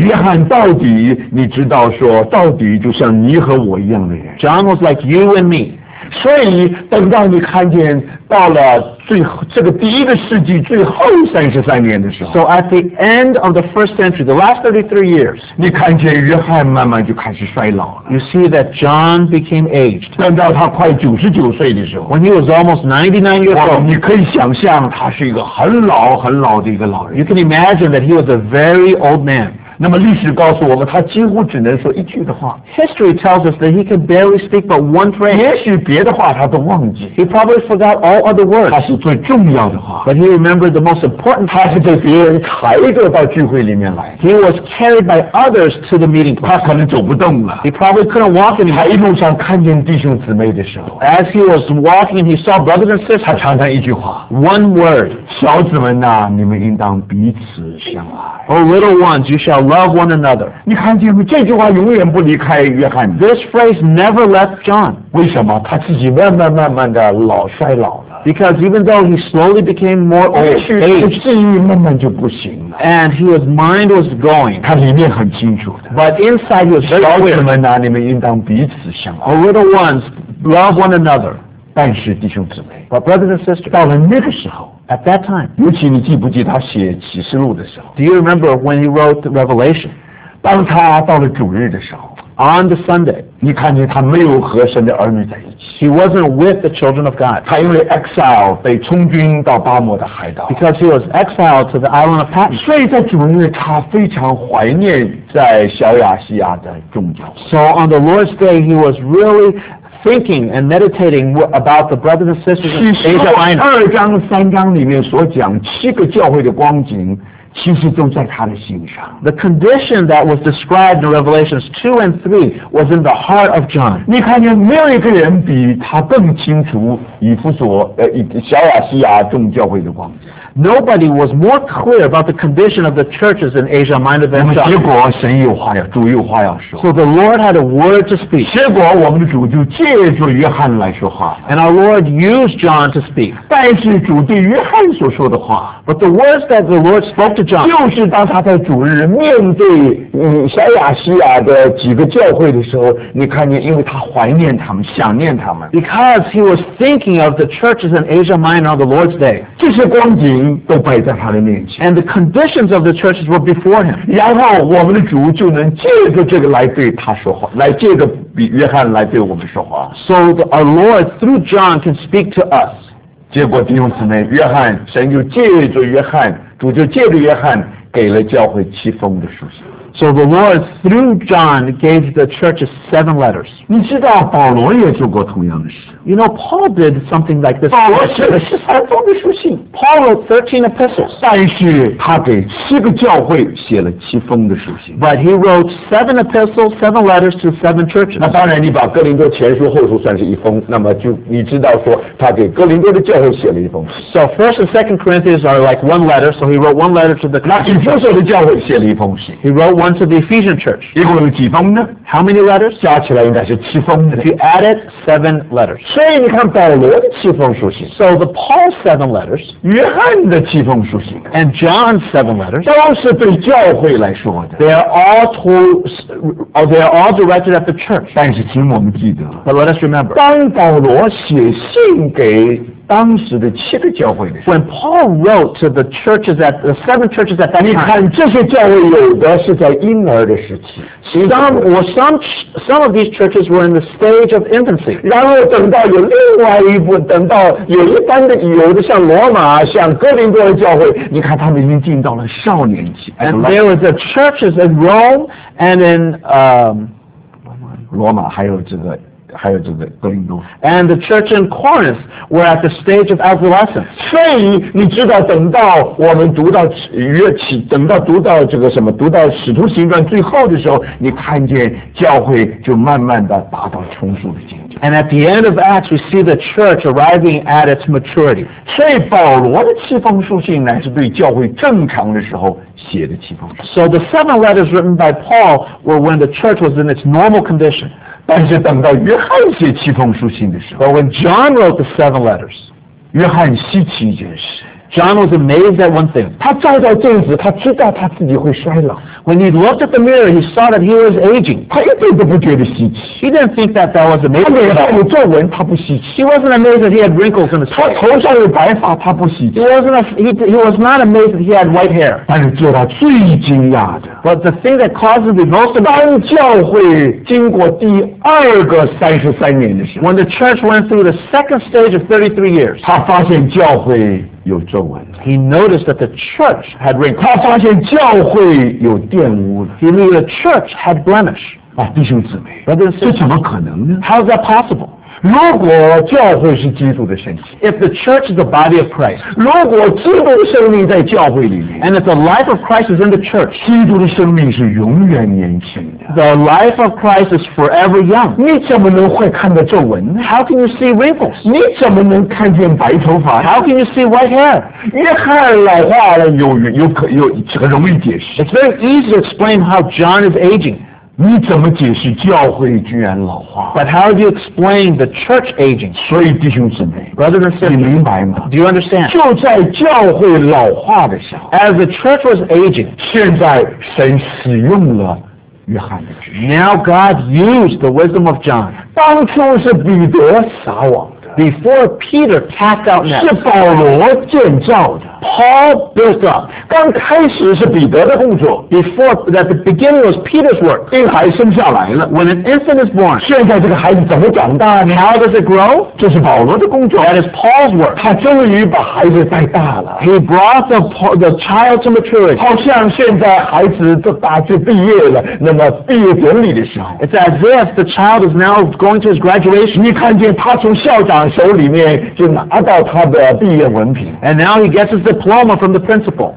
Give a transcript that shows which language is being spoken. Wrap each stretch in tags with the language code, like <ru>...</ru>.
<zh>约翰到底你知道说到底就像你和我一样的人。</zh> <en>John was like you and me.</en> <zh>所以等到你看见到了最后这个第一个世纪最后33年的时候。</zh> <en>So at the end of the first century, the last 33 years,</en> <zh>你看见约翰慢慢就开始衰老了。</zh> <en>You see that John became aged.</en> <zh>等到他快99岁的时候。</zh> <en>When he was almost 99 years old.</en> <zh>你可以想象他是一个很老很老的一个老人。</zh> <en>You can imagine that he was a very old man.</en> <zh>那么历史告诉我们他几乎只能说一句的话。</zh> <en>History tells us that he can barely speak but one phrase.</en> <zh>也许别的话他都忘记。</zh> <en>He probably forgot all other words.</en> <zh>他是最重要的话。</zh> <en>But he remembered the most important part.</en> <zh>他是被别人抬着到聚会里面来。</zh> <en>He was carried by others to the meeting.</en> <zh>他可能走不动了。</zh> <en>He probably couldn't walk anymore.</en> <zh>他一路上看见弟兄姊妹的时候。</zh> <en>As he was walking, he saw brothers and sisters.</en> <zh>他常常一句话。</zh> <en>One word.</en> <zh>小子们啊你们应当彼此相爱。</zh> <en>Oh little ones, you shall love one another.</en> <zh>你看见这句话永远不离开约翰。</zh> <en>This phrase never left John.</en> <zh>为什么？他自己慢慢的老衰老了。</zh> <en>Because even though he slowly became more old,</en> <zh>他记忆慢慢就不行了。</zh> <en>And his mind was going.</en> <zh>他里面很清楚的。</zh> <en>But inside he was very clear.</en> <zh>小子们啊，你们应当彼此相爱。</zh> <en>Oh, little ones, love one another.</en> <zh>但是弟兄姊妹。</zh> <en>But brothers and sisters.</en> <zh>到了那个时候。</zh> <en>At that time,</en> <zh>尤其你记不记得他写启示录的时候</zh> <en>？Do you remember when he wrote Revelation?</en> <zh>当他到了主日的时候</zh> <en>on the Sunday.</en> <zh>你看见他没有和神的儿女在一起。</zh> <en>He wasn't with the children of God.</en> <zh>他因为 exile 被充军到巴摩的海岛。</zh> <en>Because he was exiled to the island of Patmos.</en> <zh>所以在主日他非常怀念在小亚细亚的众教会。</zh> <en>So on the Lord's Day, he was really thinking and meditating about the brothers and sisters in Asia Minor.</en> <zh>二章三章里面所讲七个教会的光景其实都在他的心上。</zh> <en>The condition that was described in Revelations 2 and 3 was in the heart of John.</en> <zh>你看见没有一个人比他更清楚以弗所小亚细亚众教会的光景。</zh> <en>Nobody was more clear about the condition of the churches in Asia Minor than John.</en> <zh>结果神有话要，主有话要说。</zh> <en>So the Lord had a word to speak.</en> <zh>结果我们的主就借着约翰来说话。</zh> <en>And our Lord used John to speak.</en> <zh>但是主对约翰所说的话。</zh> <en>But the words that the Lord spoke to John.</en> <zh>就是当他在主日面对小亚细亚的几个教会的时候，你看见，因为他怀念他们，想念他们。</zh> <en>Because he was thinking of the churches in Asia Minor on the Lord's Day.</en> <zh>这些光景都摆在他的面前</zh> <en>and the conditions of the churches were before him</en> <zh>然后我们的主就能借着这个来对他说话来借着约翰来对我们说话</zh> <en>so the, our Lord through John can speak to us</en> <zh>结果弟兄姊妹约翰神就借着约翰主就借着约翰给了教会七封的书信</zh> <en>so the Lord through John gave the churches seven letters</en> <zh>你知道保罗也做过同样的事</zh> <en>You know, Paul did something like this.</en> <zh>保罗写了十三封的书信。</zh> <en>Paul wrote 13 epistles.</en> <zh>但是他给七个教会写了七封的书信。</zh> <en>But he wrote 7 epistles, 7 letters to 7 churches.</en> <zh>那当然，你把哥林多前书、后书算是一封，那么就你知道说他给哥林多的教会写了一封。</zh> <en>So first and second Corinthians are like one letter. So he wrote one letter to the.</en> <zh>那以弗所的教会写了一封信。</zh> <en>He wrote one to the Ephesian church.</en> <zh>一共有几封呢？</zh> <en>How many letters?</en> <zh>加起来应该是七封的。</zh> <en>If you add it, 7 letters.</en> <zh>所以你看保罗的七封书信</zh> <en>So the Paul's seven letters</en> <zh>约翰的七封书信</zh> <en>And John's seven letters</en> <zh>都是对教会来说的</zh> <en>They are all directed at the church</en> <zh>但是请我们记得</zh> <en>But let us remember</en> <zh>当保罗写信给当时的七个教会的时候</zh> <en>When Paul wrote to the churches at the seven churches at that time</en> <zh>你看这些教会有的是在婴儿的时期</zh> <en>Some of these churches were in the stage of infancy.</en> <zh>然后等到有另外一部，等到有一般的，有的像罗马、像哥林多的教会，你看他们已经进到了少年期。</zh> <en>And there were the churches in Rome and in</en> <zh>罗马还有这个。还有这个哥林多</zh> <en>and the church in Corinth were at the stage of adolescence</en> <zh>所以你知道等到我们读到约起等到读到这个什么读到使徒行传最后的时候你看见教会就慢慢的达到成熟的境界</zh> <en>and at the end of Acts we see the church arriving at its maturity</en> <zh>所以保罗的七封书信乃是对教会正常的时候写的七封书信</zh> <en>so the seven letters written by Paul were when the church was in its normal condition</en> <zh>但是等到约翰写七封书信的时候</zh> <en>But when John wrote the seven letters</en> <zh>约翰稀奇一件事</zh> <en>John was amazed at one thing</en> <zh>他照照镜子他知道他自己会衰老</zh> <en>When he looked at the mirror he saw that he was aging</en> <zh>他一点都不觉得稀奇</zh> <en>He didn't think that that was amazing</en> <zh>他脸上有皱纹他不稀奇</zh> <en>He wasn't amazed that he had wrinkles in his face</en> <zh>他头上有白发他不稀奇</zh> <en>he was not amazed that he had white hair</en> <zh>但是做他最惊讶的</zh> <en>But the thing that caused him the most amazing</en> <zh>当教会经过第二个三十三年的时候</zh> <en>When the church went through the second stage of 33 years</en> <zh>他发现教会有皱纹</zh> <en>He noticed that the church had wrinkles</en> <zh>他发现教会有玷污</zh> <en>He knew the church had blemish</en> <zh>啊，弟兄姊妹</zh> <en>Brother and sister,</en> <zh>这怎么可能呢</zh> <en>How is that possible?</en> <zh>如果教会是基督的身体</zh> <en>If the church is the body of Christ</en> <zh>如果基督的生命在教会里面</zh> <en>And if the life of Christ is in the church</en> <zh>基督的生命是永远年轻的</zh> <en>The life of Christ is forever young</en> <zh>你怎么能会看到皱纹</zh> <en>How can you see wrinkles?</en> <zh>你怎么能看见白头发</zh> <en>How can you see white hair?</en> <zh>约翰老化了有很容易解释</zh> <en>It's very easy to explain how John is aging</en> <zh>你怎么解释教会居然老化</zh> <en>But how do you explain the church aging?</en> <zh>所以弟兄姊妹</zh> <en>Brother and sister</en> <zh>你明白吗</zh> <en>Do you understand?</en> <zh>就在教会老化的时候</zh> <en>As the church was aging</en> <zh>现在神使用了约翰的知识</zh> <en>Now God used the wisdom of John</en> <zh>当初是彼得撒网的</zh> <en>Before Peter cast out nets</en> <zh>是保罗建造的</zh> <en>Paul built up.</en> <zh>刚开始是彼得的工作。</zh> <en>Before that, the beginning was Peter's work.</en> <zh>婴孩生下来了。</zh> <en>When an infant is born.</en> <zh>现在这个孩子怎么长大呢？</zh> <en>How does it grow?</en> <zh>这是保罗的工作。</zh> <en>That is Paul's work.</en> <zh>他终于把孩子带大了。</zh> <en>He brought the child to maturity.</en> <zh>好像现在孩子都大学毕业了，那么毕业典礼的时候。</zh> <en>It's as if the child is now going to his graduation.</en> <zh>你看见他从校长手里面就拿到他的毕业文凭。</zh> <en>And now he gets his diploma from the principal.</en>